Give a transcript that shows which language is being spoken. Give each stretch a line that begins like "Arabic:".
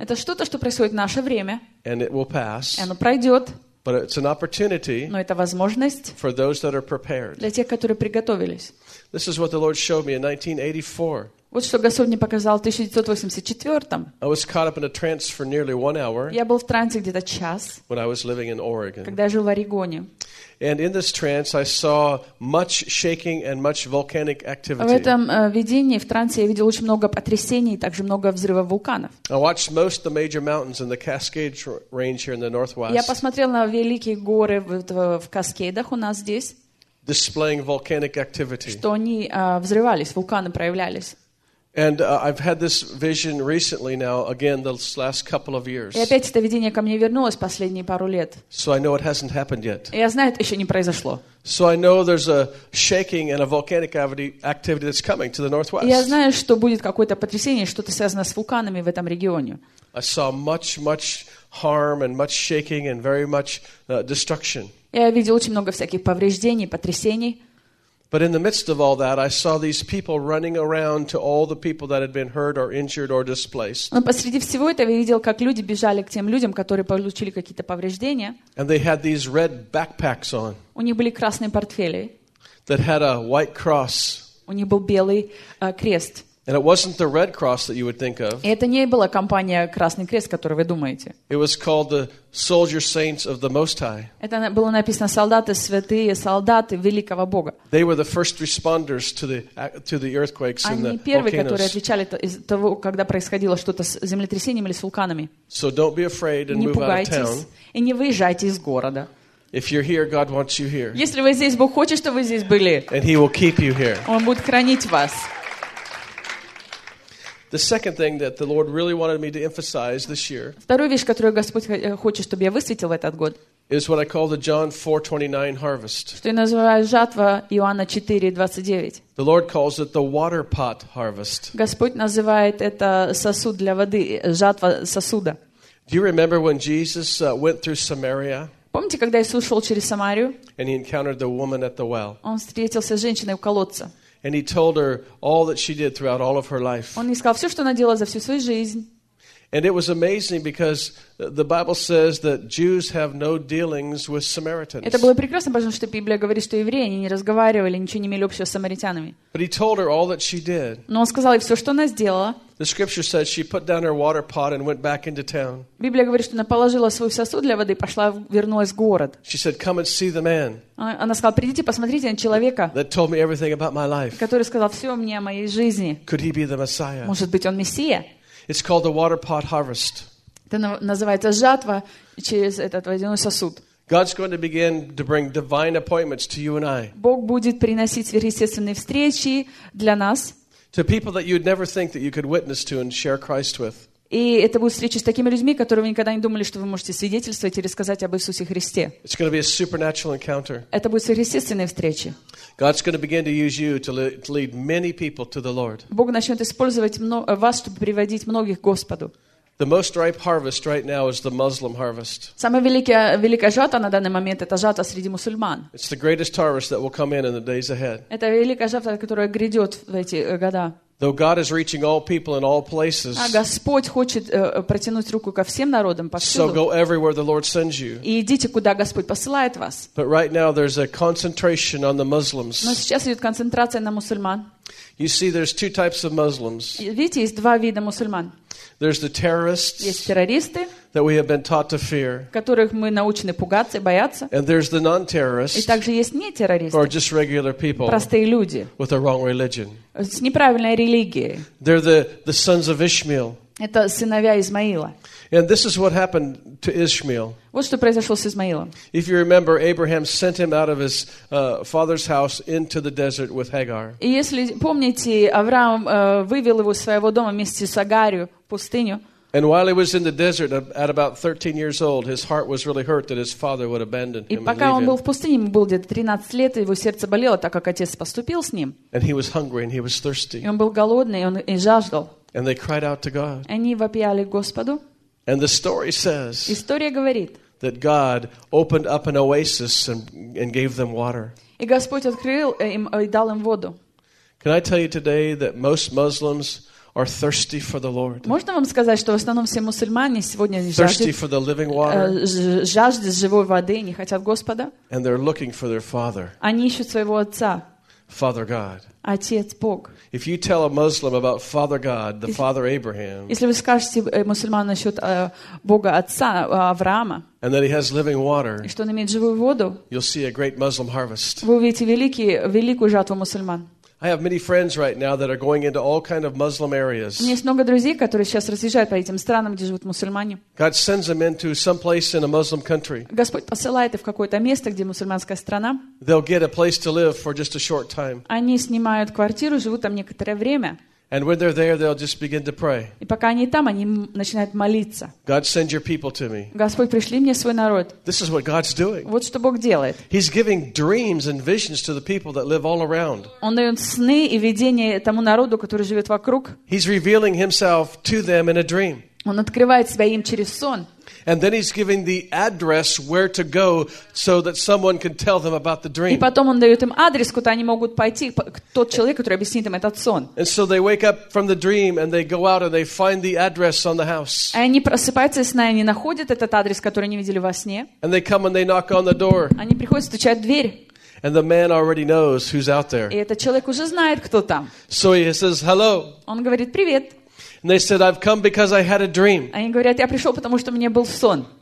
Russian: Это что-то, что происходит в наше время.
English: And it will pass.
Russian: И оно пройдет.
English: But it's an opportunity.
Russian: Но это возможность.
English: For those that are prepared.
Russian: Для тех, которые приготовились.
English: This is what the Lord showed me in 1984.
Russian: Вот что Господь мне показал в 1984-м.
English: I was caught up in a trance for nearly 1 hour.
Russian: Я был в трансе где-то час.
English: When I was living in Oregon.
Russian: Когда я жил в Орегоне.
English: And in this trance, I saw much shaking and much volcanic activity.
Russian: В этом видении, в трансе, я видел очень много потрясений и также много взрывов вулканов.
English: I watched most of the major mountains in the Cascade Range here in the Northwest.
Russian: Я посмотрел на великие горы в Каскадах у нас здесь.
English: Displaying volcanic activity.
Russian: Что они взрывались, вулканы проявлялись.
English: And I've had this vision recently now, again, this last couple of years.
Russian: И опять это видение ко мне вернулось последние пару лет.
English: So I know it hasn't happened yet.
Russian: Я знаю, это еще не произошло.
English: So I know there's a shaking and a volcanic activity that's coming to the northwest.
Russian: Я знаю, что будет какое-то потрясение, что-то связано с вулканами в этом регионе.
English: I saw much, much harm and much shaking and very much destruction.
Russian: Я видел очень много всяких повреждений, потрясений.
English: But in the midst of all that, I saw these people running around to all the people that had been hurt or injured or displaced.
Russian: Но посреди всего этого я видел, как люди бежали к тем людям, которые получили какие-то повреждения.
English: And they had these red backpacks on.
Russian: У них были красные портфели.
English: That had a white cross.
Russian: У них был белый крест.
English: And it wasn't the Red Cross that you would think of.
Russian: Это не была компания Красный Крест, которую вы думаете.
English: It was called the Soldier Saints of the Most High.
Russian: Это было написано солдаты святые, солдаты великого Бога.
English: They were the first responders to the earthquakes and the volcanoes.
Russian: Они первые, которые отвечали из того, когда происходило что-то с землетрясением или с вулканами.
English: So don't be afraid and move out of town.
Russian: И не выезжайте из города.
English: If you're here, God wants you here.
Russian: Если вы здесь, Бог хочет, чтобы вы здесь были.
English: And He will keep you here.
Russian: Он будет хранить вас.
English: The second thing that the Lord really wanted me to emphasize this year.
Russian: Вторую вещь, которую Господь хочет, чтобы я высветил в этот год.
English: Is what I call the John 4:29 harvest.
Russian: Что я называю жатва Иоанна 4:29.
English: The Lord calls it the water pot harvest.
Russian: Господь называет это сосуд для воды, жатва сосуда.
English: Do you remember when Jesus went through Samaria?
Russian: Помните, когда Иисус шел через Самарию?
English: And he encountered the woman at the well.
Russian: Он встретился с женщиной у колодца.
English: And he told her all that she did throughout all of her life.
Russian: Он ей сказал всё, что она делала за всю свою жизнь.
English: And it was amazing because the Bible says that Jews have no dealings with Samaritans.
Russian: Это было прекрасно, потому что Библия говорит, что евреи они не разговаривали, ничего не имели общего с самаритянами.
English: But he told her all that she did.
Russian: Но он сказал ей всё, что она сделала.
English: The scripture says she put down her water pot and went back into town.
Russian: Библия говорит, что она положила свой сосуд для воды и пошла, вернулась в город.
English: She said, "Come and see the man."
Russian: Она сказала, придите, посмотрите на человека.
English: That told me everything about my life.
Russian: Который сказал всё мне о моей жизни.
English: Could he be the Messiah?
Russian: Может быть, он мессия?
English: It's called the water pot harvest.
Russian: Это называется жатва через этот водяной сосуд.
English: God's going to begin to bring divine appointments to you and I.
Russian: Бог будет приносить сверхъестественные встречи для нас.
English: To people that you'd never think that you could witness to and share Christ with.
Russian: И это будут встречи с такими людьми, которые вы никогда не думали, что вы можете свидетельствовать и рассказать об Иисусе Христе.
English: It's going to be a supernatural encounter.
Russian: Это будут сверхъестественные встречи.
English: God's going to begin to use you to lead many people to the Lord.
Russian: Бог начнет использовать вас, чтобы приводить многих к Господу.
English: The most ripe harvest right now is the Muslim harvest.
Russian: Самая великая жатва на данный момент это жатва среди мусульман.
English: It's the greatest harvest that will come in the days ahead.
Russian: Это великая жатва, которая грядет в эти года.
English: Though God is reaching all people in all places.
Russian: А Господь хочет протянуть руку ко всем народам повсюду.
English: So go everywhere the Lord sends you.
Russian: И идите куда Господь посылает вас.
English: But right now there's a concentration on the Muslims.
Russian: Но сейчас идет концентрация на мусульман.
English: You see, there's two types of Muslims.
Russian: Видите, есть два вида мусульман.
English: There's the terrorists.
Russian: Есть террористы.
English: That we have been taught to fear.
Russian: Которых мы научены пугаться, бояться.
English: And there's the non-terrorists.
Russian: И также есть нетеррористы.
English: Or just regular people.
Russian: Простые люди.
English: With a wrong religion.
Russian: С неправильной религией.
English: They're the sons of Ishmael.
Russian: Это сыновья Измаила.
English: And this is what happened to Ishmael.
Russian: Вот что произошло с Измаилом.
English: If you remember, Abraham sent him out of his father's house into the desert with Hagar.
Russian: И если помните, Авраам вывел его из своего дома вместе с Агарью в пустыню.
English: And while he was in the desert at about 13 years old, his heart was really hurt that his father would abandon him.
Russian: И пока он был в пустыне, ему было где-то 13 лет, его сердце болело, так как отец поступил с ним.
English: And he was hungry and he was thirsty.
Russian: И он был голодный, он и жаждал.
English: And they cried out to God.
Russian: Они вопияли к Господу.
English: And the story says.
Russian: История говорит.
English: That God opened up an oasis and gave them water.
Russian: И Господь открыл им и дал им воду.
English: Can I tell you today that most Muslims are thirsty for the Lord?
Russian: Можно вам сказать, что в основном все мусульмане сегодня жаждут.
English: Thirsty for the living water.
Russian: Жаждут живой воды, не хотят Господа.
English: And they're looking for their Father.
Russian: Они ищут своего отца.
English: Father God.
Russian: Отец Бог.
English: If you tell a Muslim about Father God, the Father Abraham.
Russian: Если вы скажете мусульману насчёт Бога Отца Авраама.
English: And that he has living water.
Russian: И что он имеет живую воду.
English: You'll see a great Muslim harvest.
Russian: Вы увидите великую жатву мусульман.
English: I have many friends right now that are going into all kind of Muslim areas.
Russian: У меня есть много друзей, которые сейчас разъезжают по этим странам, где живут мусульмане.
English: God sends them into some place in a Muslim country.
Russian: Господь посылает их в какое-то место, где мусульманская страна.
English: They'll get a place to live for just a short time.
Russian: Они снимают квартиру, живут там некоторое время.
English: And when they're there, they'll just begin to pray.
Russian: И пока они там, они начинают молиться.
English: God send your people to me.
Russian: Господь, пришли мне свой народ.
English: This is what God's doing.
Russian: Вот что Бог делает.
English: He's giving dreams and visions to the people that live all around.
Russian: Он дает сны и видения тому народу, который живет вокруг.
English: He's revealing himself to them in a dream.
Russian: Он открывает себя им через сон.
English: And then he's giving the address where to go so that someone can tell them about the dream.
Russian: И потом он даёт им адрес, куда они могут пойти, тот человек, который объяснит им этот сон.
English: And so they wake up from the dream and they go out and they find the address on the house.
Russian: Они просыпаются из сна и находят этот адрес, который они видели во сне.
English: And they come and they knock on the door.
Russian: Они приходят, стучат в дверь.
English: And the man already knows who's out there.
Russian: И этот человек уже знает, кто там.
English: So he says, "Hello."
Russian: Он говорит: "Привет."
English: And they said, "I've come because I had a dream."
Russian: Они говорят: "Я пришёл, потому что у меня был сон."